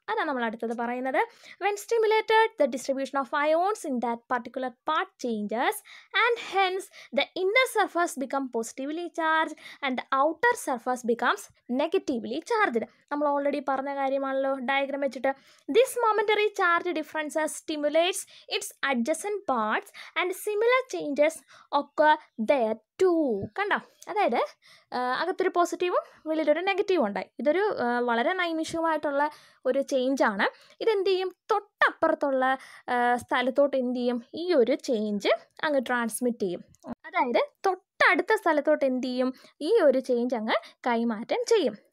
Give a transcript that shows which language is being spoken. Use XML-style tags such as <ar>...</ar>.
<ml>അതാണ് നമ്മൾ അടുത്തത് പറയുന്നത്.</ml> <en>When stimulated the distribution of ions in that particular part changes and hence the inner surface become positively charge and the outer surface becomes negatively charged.</en> <ml>നമ്മൾ already പറഞ്ഞ കാര്യമാണല്ലോ diagram വെച്ചിട്ട്.</ml> <en>This momentary charge difference stimulates its adjacent parts and similar changes occur there too.</en> <ml>കണ്ടോ? അതായത് അകത്തൊരു പോസിറ്റീവും വെളിയിലൊരു നെഗറ്റീവും ഉണ്ടായി. ഇതൊരു വളരെ നൈമിഷികമായിട്ടുള്ള ഒരു ചേഞ്ച് ആണ്. ഇതെന്ത് ചെയ്യും? തൊട്ടപ്പുറത്തുള്ള സ്ഥലത്തോട്ട് എന്ത് ചെയ്യും? ഈ ഒരു ചേഞ്ച് അങ്ങ് ട്രാൻസ്മിറ്റ് ചെയ്യും. അതായത് തൊട്ടടുത്ത സ്ഥലത്തോട്ട് എന്ത് ചെയ്യും? ഈ ഒരു ചേഞ്ച് അങ്ങ് കൈമാറ്റം ചെയ്യും.</ml>